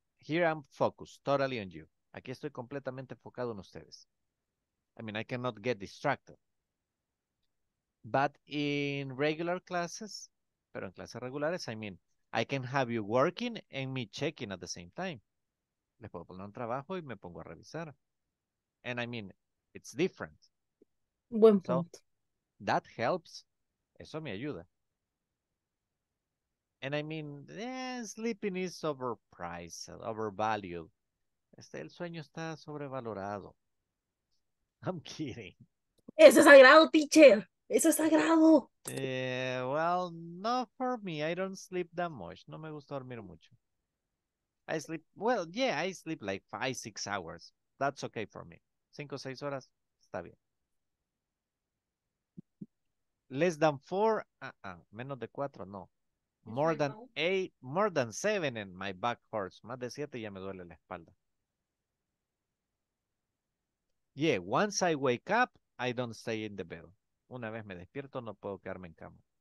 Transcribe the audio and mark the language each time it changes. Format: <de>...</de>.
<en>Here I'm focused totally on you.</en> <es>Aquí estoy completamente enfocado en ustedes.</es> <en>I mean, I cannot get distracted. But in regular classes,</en> <es>pero en clases regulares,</es> <en>I mean, I can have you working and me checking at the same time.</en> <es>Les puedo poner un trabajo y me pongo a revisar.</es> <en>And I mean, it's different.</en> <es>Buen punto. So,</es> <en>that helps.</en> <es>Eso me ayuda.</es> <en>And I mean, sleeping is overpriced, overvalued.</en> <es>El sueño está sobrevalorado.</es> <en>I'm kidding.</en> <es>Eso es sagrado, teacher. Eso es sagrado.</es> <en>Well, not for me. I don't sleep that much.</en> <es>No me gusta dormir mucho.</es> <en>I sleep, well, yeah, I sleep like 5-6 hours. That's okay for me.</en> <es>5-6 horas, está bien.</es> <en>Less than 4,</en> <es>menos de 4, no.</es> <en>More than 7 and my back hurts.</en> <es>Más de 7 ya me duele la espalda.</es> <en>Yeah, once I wake up, I don't stay in the bed.</en> <es>Una vez me despierto, no puedo quedarme en cama.</es>